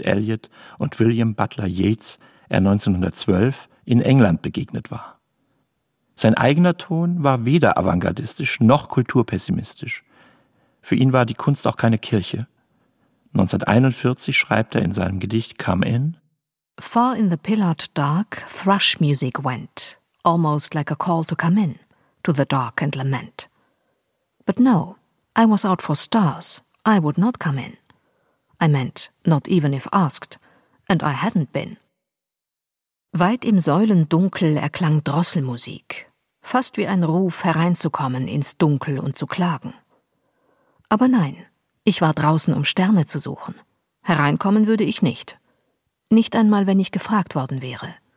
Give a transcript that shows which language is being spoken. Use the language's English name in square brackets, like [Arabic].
[German] Eliot und William Butler Yeats er 1912 in England begegnet war. Sein eigener Ton war weder avantgardistisch noch kulturpessimistisch. Für ihn war die Kunst auch keine Kirche. 1941 schreibt er in seinem Gedicht Come In: [English] Far in the pillared dark, thrush music went, almost like a call to come in, to the dark and lament. But no, I was out for stars, I would not come in. I meant, not even if asked, and I hadn't been. [German] Weit im Säulendunkel erklang Drosselmusik, fast wie ein Ruf hereinzukommen ins Dunkel und zu klagen. Aber nein, ich war draußen, um Sterne zu suchen. Hereinkommen würde ich nicht. Nicht einmal, wenn ich gefragt worden wäre.